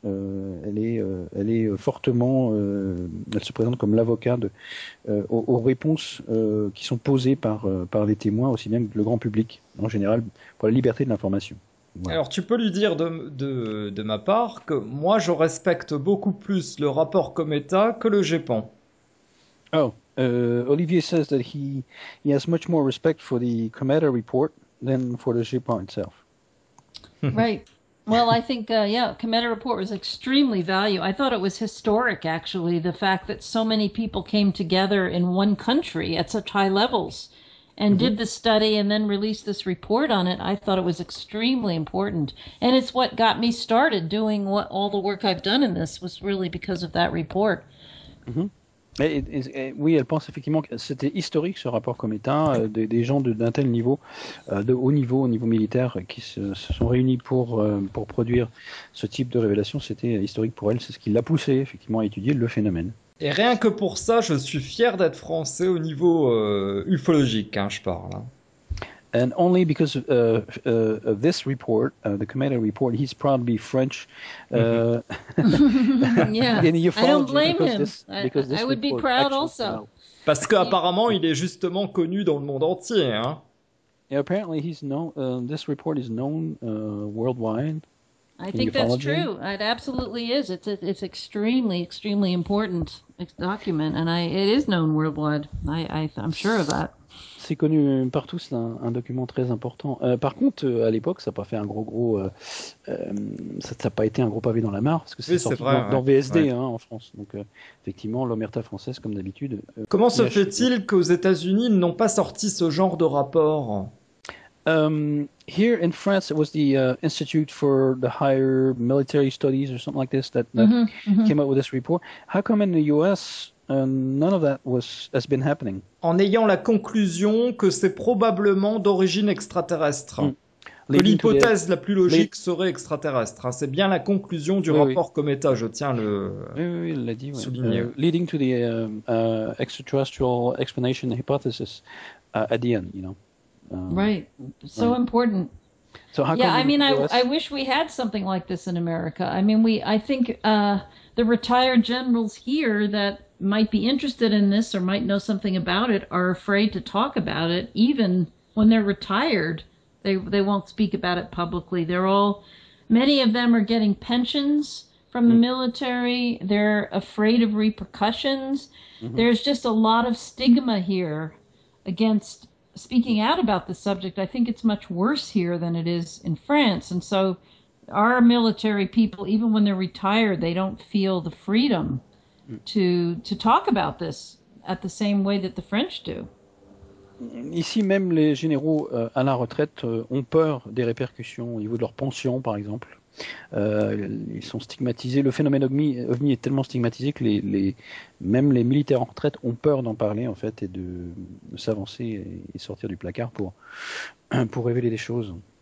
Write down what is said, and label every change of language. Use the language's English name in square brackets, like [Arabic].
[French] Elle se présente comme l'avocat aux réponses qui sont posées par les témoins, aussi bien que le grand public en général, pour la liberté de l'information. Voilà. Alors tu peux lui dire de ma part que moi je respecte beaucoup plus le rapport Cometa que le GEPAN. [English] Oh, Olivier says that he has much more respect for the Cometa report than for the GEPAN itself. Right. Well, I think, Cometa Report was extremely valuable. I thought it was historic, actually, the fact that so many people came together in one country at such high levels and mm-hmm. did the study and then released this report on it. I thought it was extremely important. And it's what got me started doing all the work I've done in this was really because of that report. Mm-hmm. [French] Oui, elle pense effectivement que c'était historique ce rapport Cometa, des gens d'un tel niveau, de haut niveau, au niveau militaire, qui se sont réunis pour produire ce type de révélation. C'était historique pour elle, c'est ce qui l'a poussée effectivement à étudier le phénomène. Et rien que pour ça, je suis fier d'être français au niveau ufologique, hein, je parle. [English] And only because of this report, the Cometa report, he's proud to be French. Mm-hmm. yeah, I don't blame him. I would be proud also. [French] Parce qu'apparemment, il est justement connu dans le monde entier. Hein. [English] Yeah, apparently, he's known. This report is known worldwide. I think that's true. It absolutely is. It's extremely, extremely important document, and it is known worldwide. I'm sure of that. [French] C'est connu partout, c'est un document très important. Par contre, à l'époque, ça n'a pas fait un gros ça n'a pas été un gros pavé dans la mare, parce que c'est oui, sorti c'est vrai, dans ouais. VSD ouais. Hein, en France. Donc, effectivement, l'omerta française, comme d'habitude. Comment se fait-il qu'aux États-Unis, ils n'ont pas sorti ce genre de rapport? [English] Here in France, it was the Institute for the Higher Military Studies or something like this that mm-hmm. came out with this report. How come in the US? None of that has been happening. [French] En ayant la conclusion que c'est probablement d'origine extraterrestre. Mm. L'hypothèse la plus logique serait extraterrestre. Hein. C'est bien la conclusion du rapport Cometa, je tiens à le souligner. [English] Leading to the extraterrestrial explanation hypothesis at the end, you know. Right. So right. important. So how yeah, I mean, I wish we had something like this in America. I mean, the retired generals here that might be interested in this or might know something about it are afraid to talk about it. Even when they're retired, they won't speak about it publicly. They're all, many of them are getting pensions. from the military. They're afraid of repercussions. There's just a lot of stigma here against speaking out about the subject. I think it's much worse here than it is in France. And so our military people, even when they're retired, they don't feel the freedom to talk about this at the same way that the French do. [French] Ici, même les généraux à la retraite ont peur des répercussions au niveau de leur pension, par exemple. Ils sont stigmatisés. Le phénomène OVNI est tellement stigmatisé que même les militaires en retraite ont peur d'en parler, en fait, et de s'avancer et sortir du placard pour révéler des choses.